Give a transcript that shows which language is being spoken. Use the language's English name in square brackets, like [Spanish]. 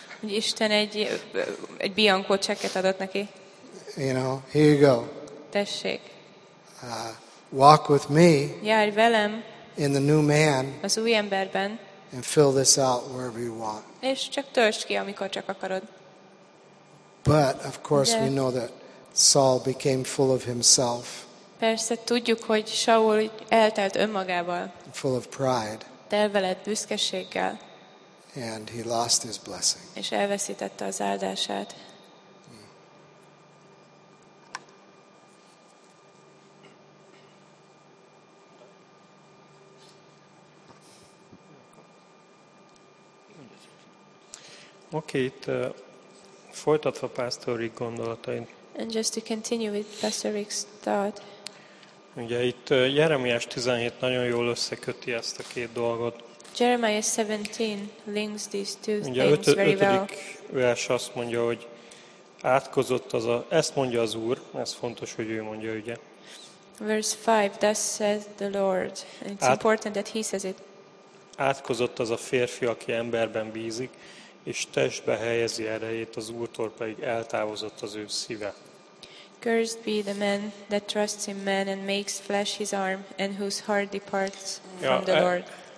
[Hungarian] Isten egy bianko csekket adott neki. [English] You know, here you go. [Hungarian] Tessék. [English] Walk with me. [Hungarian] Járj velem. [English] In the new man. [Hungarian] Az új emberben. [English] And fill this out wherever you want. [Hungarian] És csak töltsd ki, amikor csak akarod. [English] But of course we know that Saul became full of himself. [Hungarian] Persze tudjuk, hogy Saul eltelt önmagával. [English] Full of pride. [Hungarian] Telve lett büszkeséggel. [English] And he lost his blessing. [Hungarian] És elveszítette az áldását. Oké, itt folytatva Pastor Rick gondolatain. [English] And just to continue with Pastor Rick's thought. [Hungarian] Ugye itt Jeremiás 17 nagyon jól összeköti ezt a két dolgot. [English] Jeremiah 17 links these two things very well. [Hungarian] Ugye 5. vers azt mondja, hogy átkozott az a, ezt mondja az Úr, ez fontos, hogy ő mondja, ugye. [English] Verse 5, thus says the Lord. And it's important that he says it. [Hungarian] Átkozott az a férfi, aki emberben bízik, és testbe helyezi erejét, az Úrtól pedig eltávozott az ő szíve. [English] Cursed be the man that trusts in man and makes flesh his arm and whose heart departs from the Lord.